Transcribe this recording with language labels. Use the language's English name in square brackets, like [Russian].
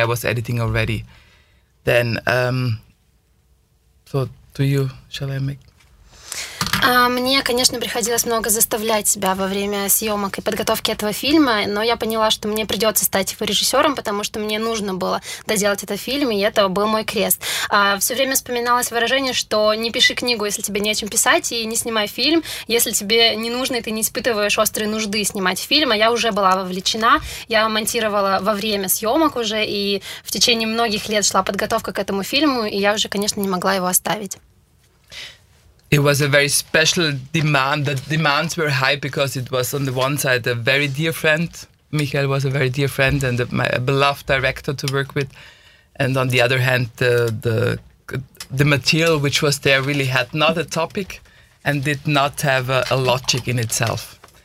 [English] I was editing already then. So to you, shall I make? [Russian] Мне, конечно, приходилось много заставлять себя во время съемок и подготовки этого фильма, но я поняла, что мне придется стать его режиссером, потому что мне нужно было доделать этот фильм, и это был мой крест. Все время вспоминалось выражение, что не пиши книгу, если тебе не о чем писать, и не снимай фильм, если тебе не нужно, и ты не испытываешь острой нужды снимать фильм. А я уже была вовлечена, я монтировала во время съемок уже, и в течение многих лет шла подготовка к этому фильму, и я уже, конечно, не могла его оставить. [English] It was a very special demand. The demands were high because it was on the one side a very dear friend. Michael was a very dear friend and my beloved director to work with. And on the other hand, the material which was there really had not a topic and did not have a logic in itself.